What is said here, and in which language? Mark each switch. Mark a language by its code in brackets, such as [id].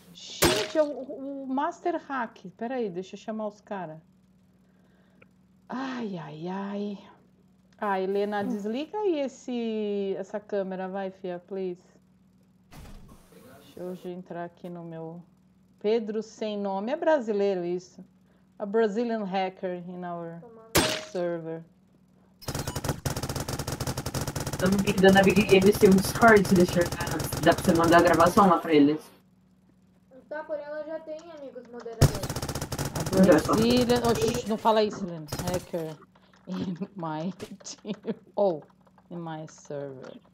[pt] Gente, é o Master Hack. Pera aí, deixa eu chamar os caras. Ai. Ah, Helena, desliga aí essa câmera, vai, fia, please. Deixa eu entrar aqui no meu. Pedro sem nome. É brasileiro isso. [en] A Brazilian hacker in our server. [pt] Estamos aqui dando a Big Games, tem um Discord, se deixar. Dá pra você mandar a gravação lá pra eles. Tá, porém ela já tem amigos moderadores. [en] A Brazilian. [pt] Oxi, não fala isso, Helena. [en] Hacker in my team. Oh, in my server.